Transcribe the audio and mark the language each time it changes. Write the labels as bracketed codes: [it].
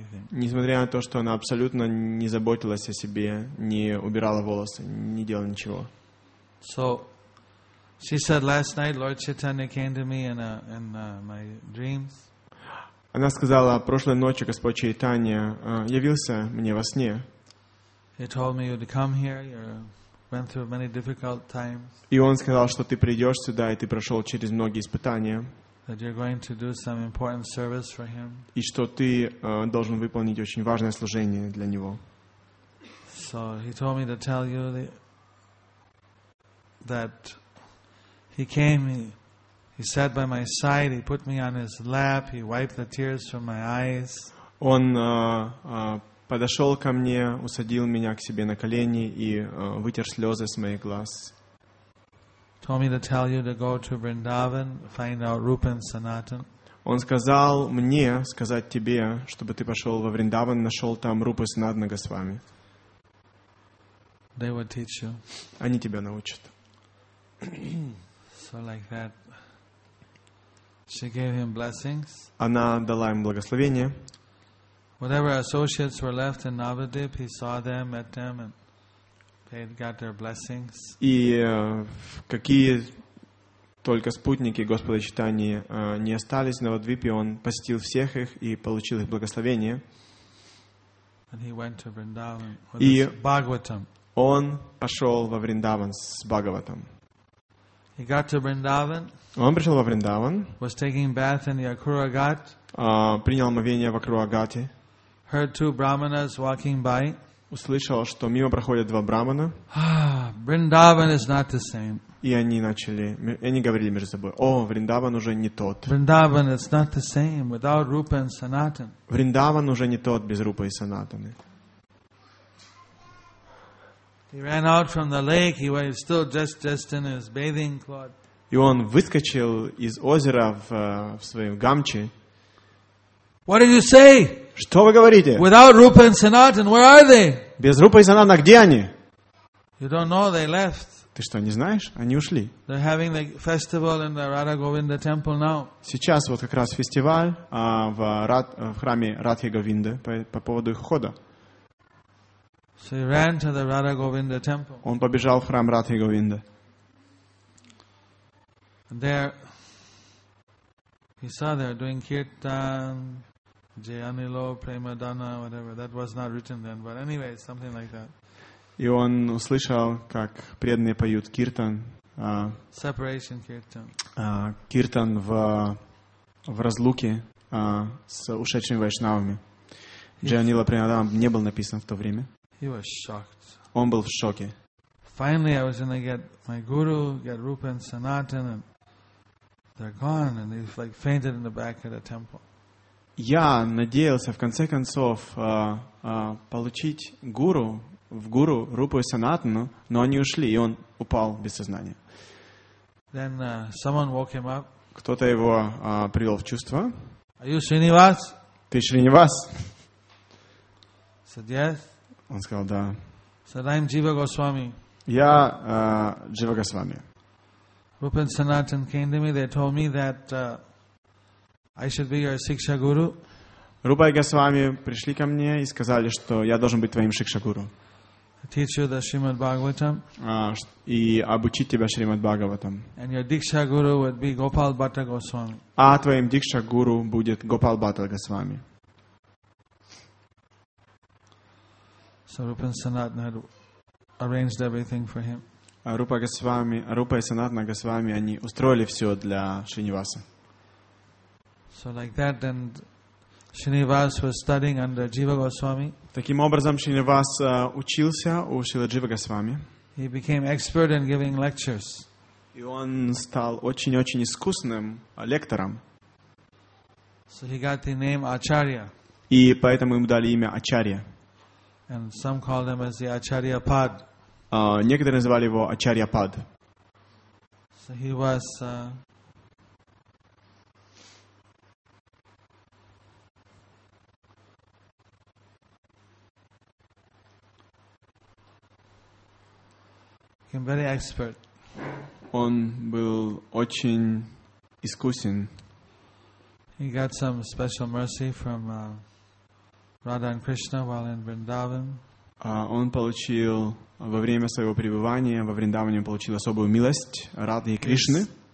[ru] Несмотря на то, что она абсолютно не заботилась о себе, не убирала волосы, не делала ничего. [en] She said, last night Lord Chaitanya came to me in my dreams. [ru] Она сказала, прошлой ночью Господь Чайтанья явился мне во сне. [en] He told me you'd come here, you went through many difficult times. [ru] И он сказал, что ты придешь сюда, и ты прошел через многие испытания. [en] That you're going to do some important service for him. [ru] И что ты должен выполнить очень важное служение для него. [en] So he told me to tell you that He came, he sat by my side, he put me on his lap, he wiped the tears from my eyes. [ru] Он подошел ко мне, усадил меня к себе на колени и вытер слезы с моих глаз. [en] Told me to tell you to go to Vrindavan, find out Rupa and Sanatan. [ru] Он сказал мне сказать тебе, чтобы ты пошел во Вриндаван, нашел там Рупу и Санатана Госвами. [en] They would teach you. [ru] Они тебя научат. [en] So like that, she gave him blessings. [ru] Она дала ему благословение. [en] Whatever associates were left in Navadvip, he saw them, met them, and they got their blessings. [ru] И какие только спутники Господа Чайтаньи не остались в Навадвипе, он посетил всех их и получил их благословение. [en] And he went to Vrindavan with Bhagavatam. [ru] Он пошел во Вриндаван с Бхагаватом. [en] He got to Vrindavan. [ru] Он пришел во Вриндаван. [en] Was taking bath in the Akuragat. [ru] Принял омовение в Акурагате. [en] Heard two brahmanas walking by. [ru] Услышал, что мимо проходят два брахмана. [en] Vrindavan is not the same. [ru] И они говорили между собой: "О, Вриндаван уже не тот." [en] Vrindavan is not the same without Rupa and Sanatan. [ru] Вриндаван уже не тот без Рупы и Санатаны. [en] He ran out from the lake. He was still dressed in his bathing cloth. [ru] И он выскочил из озера в своем гамче. [en] What did you say? [ru] Что вы говорите? [en] Without Rupa and Sanatan, where are they? [ru] Без Рупы и Санатана где они? [en] You don't know they left. [ru] Ты что не знаешь? Они ушли. [en] They're having the festival in the Radha Govinda temple now. [ru] Сейчас вот как раз фестиваль в храме Радхи Говинды по поводу их ухода. [en] So he ran to the Radha Govinda temple. [ru] Он побежал в храм Радхи Говинды. [en] There he saw they're doing kirtan, Jai Anilo, Prema Dana, whatever. That was not written then, but anyway, something like that. [ru] И он услышал, как преданные поют киртан. [en] Separation kirtan. [ru] Киртан в разлуке с ушедшими вайшнавами. Jai Anilo, Prema Dana не был написан в то время. [en] He was shocked. [ru] Он был в шоке. [en] Finally, I was gonna get my guru, get Rupa and Sanatan, and they're gone, and he's like fainted in the back of the temple. [ru] Я надеялся в конце концов получить гуру в гуру Рупу и Санатану, но они ушли, и он упал без сознания. [en] Then someone woke him up. [ru] Кто-то его привел в чувство. [en] Are you Srinivas? [ru] Ты Шринивас? [en] Said yes. [ru] Он сказал, да. [en] Said, I'm Jiva Goswami. [ru] Я Джива Госвами. [en] Rupa and Sanatan came to me, they told me that I should be your Siksha Guru. [ru] Rupa и Госвами пришли ко мне и сказали, что я должен быть твоим Шикша Гуру. [en] Teach you the Shrimad Bhagavatam. [ru] И обучить тебя Шримад Бхагаватам. [en] And your Diksha Guru would be Gopal Bhatta Goswami. [ru] А твоим Диксха Гуру будет Гопал Бхатта Госвами. [en] So Rupa and Sanatana had arranged everything for him. [ru] Rupa и Sanatana Goswami, они устроили все для Шринивасы. [en] So like that, then Srinivas was studying under Jiva Goswami. [ru] Таким образом Шринивас учился у Шрилы Джива Госвами. [en] He became expert in giving lectures. [ru] И он стал очень-очень искусным лектором. [en] So he got the name Acharya. [ru] И поэтому ему дали имя Ачарья. [en] And some call him as the Acharya Pad. [ru] Некоторые называли его Ачарья Пад. [en] So he was became very expert. [ru] Он был очень искусен. [en] He got some special mercy from Radha and Krishna while in Vrindavan. [ru] Он получил во время своего пребывания во Вриндаване получил особую милость Радхи и Кришны.